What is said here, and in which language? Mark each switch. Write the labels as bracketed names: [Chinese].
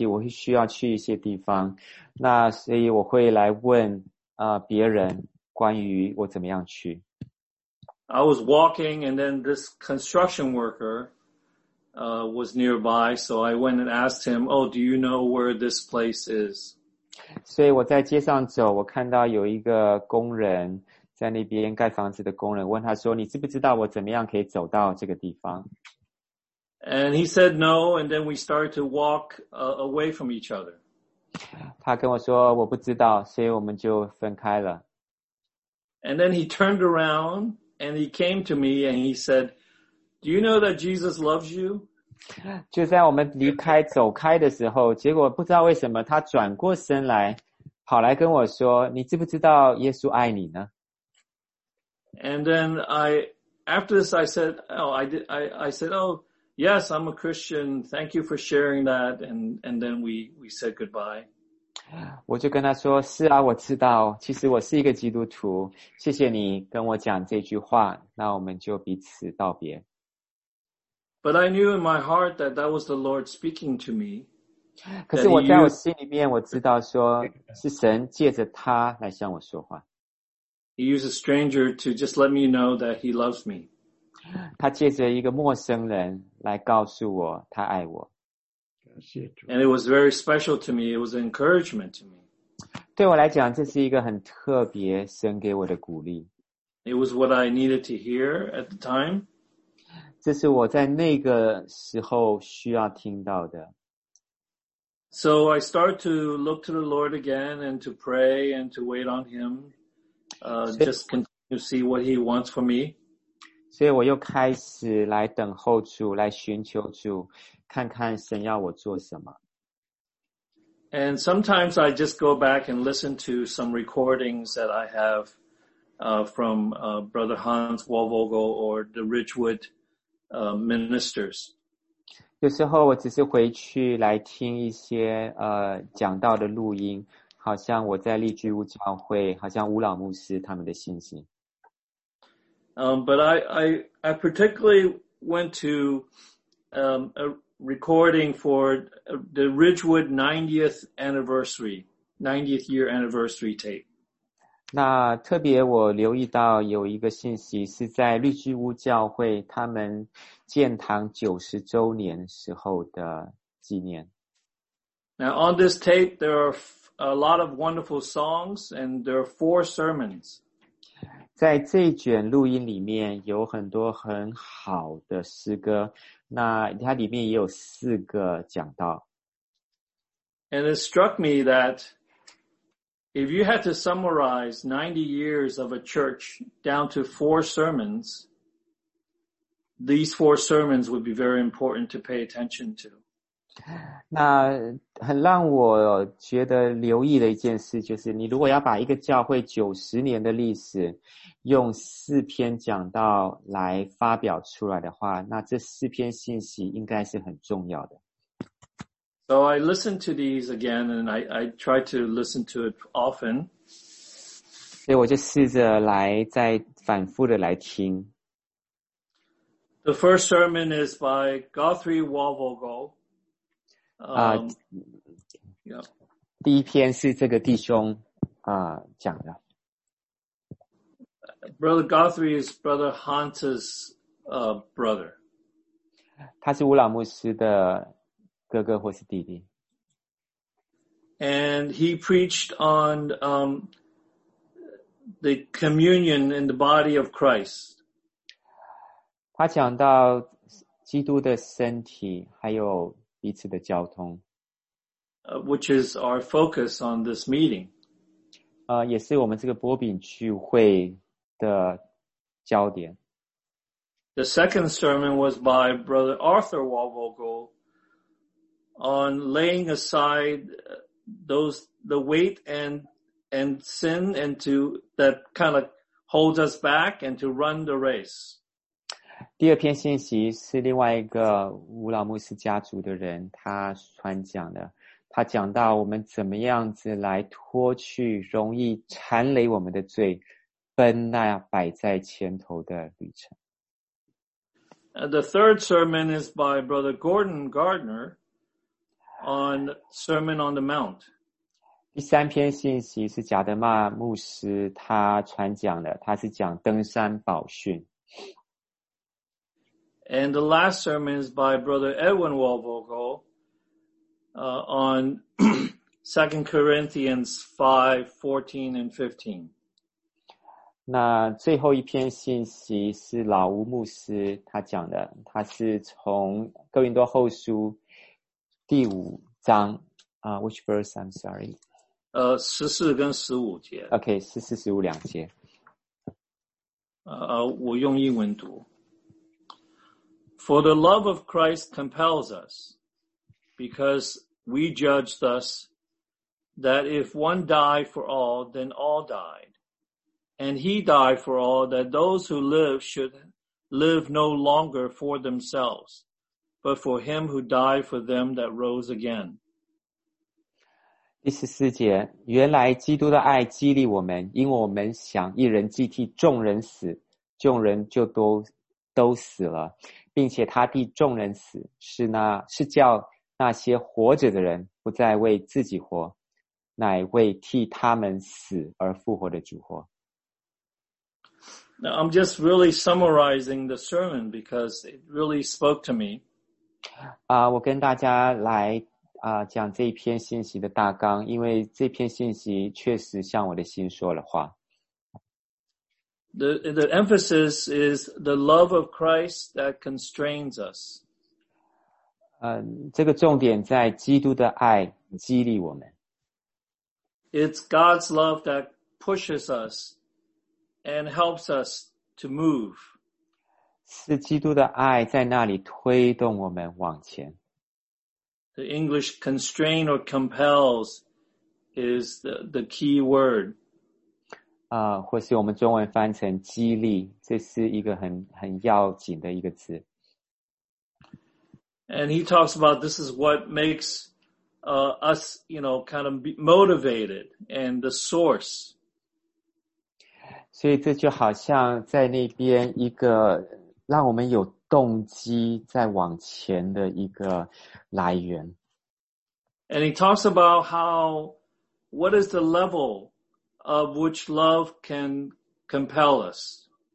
[Chinese] 那因为我工作的关系，我会需要去一些地方。那所以我会来问别人关于我怎么样去。 [English] I was walking and then this construction worker, was nearby. So I went and asked him, oh, do you know where this place is? [Chinese] 所以我在街上走，我看到有一个工人在那边盖房子的工人，问他说，你知不知道我怎么样可以走到这个地方？ [English] And he said no, and then we started to walk away from each other. [Chinese] 他跟我说我不知道，所以我们就分开了。 [English] And then he turned around and he came to me and he said, "Do you know that Jesus loves you?" [Chinese] 就在我们离开走开的时候，结果不知道为什么他转过身来，跑来跟我说，你知不知道耶稣爱你呢？ [English] And then After this, I said, yes, I'm a Christian. Thank you for sharing that. And then we said goodbye. [Chinese] 我就跟他说，是啊，我知道，其实我是一个基督徒。谢谢你跟我讲这句话，那我们就彼此道别。 [English] But I knew in my heart that that was the Lord speaking to me. [Chinese] 可是我在我心里面，我知道说是神借着他来向我说话。 [English] He used a stranger to just let me know that he loves me. [Chinese] 他借着一个陌生人来告诉我他爱我。 [English] And it was very special to me. It was an encouragement to me. [Chinese] 对我来讲，这是一个很特别神给我的鼓励。 [English] It was what I needed to hear at the time. [Chinese] 这是我在那个时候需要听到的。 [English] So I start to look to the Lord again and to pray and to wait on him. Just continue to see what he wants for me. [Chinese] 所以我又开始来等候主，来寻求主，看看神要我做什么。 [English] And sometimes I just go back and listen to some recordings that I have, from, Brother Hans Wolvogel or the Ridgewood, ministers. [Chinese] 有时候我只是回去来听一些，讲道的录音，好像我在利居屋教会，好像吴老牧师他们的信息。 [English] But I particularly went to, a recording for the Ridgewood 90th year anniversary tape. [Chinese] 那特别我留意到有一个信息是在绿巨屋教会他们建堂90周年时候的纪念。 [English] Now on this tape, there are a lot of wonderful songs and there are 4 sermons. [Chinese] 在这卷录音里面有很多很好的诗歌，那它里面也有四个讲道。 [English] And it struck me that if you had to summarize 90 years of a church down to 4 sermons, these 4 sermons would be very important to pay attention to. [Chinese] 那很让我觉得留意的一件事就是，你如果要把一个教会90年的历史用四篇讲道来发表出来的话，那这四篇信息应该是很重要的。 [English] So I listened to these again and I tried to listen to it often. [Chinese] 所以我就试着来再反复的来听。 [English] The first sermon is by Guthrie Wolvogel. [Chinese] 第一篇是这个弟兄讲的。 [English] Brother Guthrie is Brother Hans's brother. [Chinese] 他是吴老牧师的哥哥或是弟弟。 [English] And he preached on the communion in the body of Christ. [Chinese] 他讲到基督的身体还有彼此的交通。 [English] Which is our focus on this meeting. [Chinese] 也是我们这个波饼聚会的焦点。 [English] The second sermon was by Brother Arthur Wolvogel on laying aside the weight and sin and to that kind of holds us back and to run the race. [Chinese] 第二篇信息是另外一个吴老牧师家族的人他传讲的，他讲到我们怎么样子来脱去容易缠累我们的罪。奔那摆在前头的旅程。 [English] The third sermon is by Brother Gordon Gardner on Sermon on the Mount. [Chinese] 第三篇信息是贾德曼牧师他传讲的，他是讲登山宝训。 [English] And the last sermon is by Brother Edwin Walvogel on 2 Corinthians 5, 14 and 15. [Chinese] 那最后一篇信息是老吴牧师他讲的，他是从哥林多后书第五章啊、 [English] which verse, I'm sorry. [Chinese] 14跟15节。 OK, 14、15两节。我用英文读。 [English] For the love of Christ compels us, because we judge thus, that if one die for all, then all died. And he died for all, that those who live should live no longer for themselves, but for him who died for them that rose again. [Chinese] 第十四节，原来基督的爱激励我们，因为我们想一人既替众人死，众人就都死了。并且他替众人死，是叫那些活着的人不再为自己活，乃为替他们死而复活的主活。 [English] Now I'm just really summarizing the sermon because it really spoke to me. [Chinese] 我跟大家来讲这一篇信息的大纲，因为这篇信息确实向我的心说了话。 [English] The emphasis is the love of Christ that constrains us. [Chinese] 这个重点在基督的爱激励我们。 [English] It's God's love that pushes us and helps us to move. [Chinese] 是基督的爱在那里推动我们往前。 [English] The English constrain or compels is the key word. [Chinese] 或是我们中文翻成激励，这是一个很要紧的一个词。 [English] And he talks about this is what makes us, you know, kind of motivated and the source. [Chinese] 所以这就好像在那边一个让我们有动机在往前的一个来源。 [English] And he talks about what is the level of which love can compel us.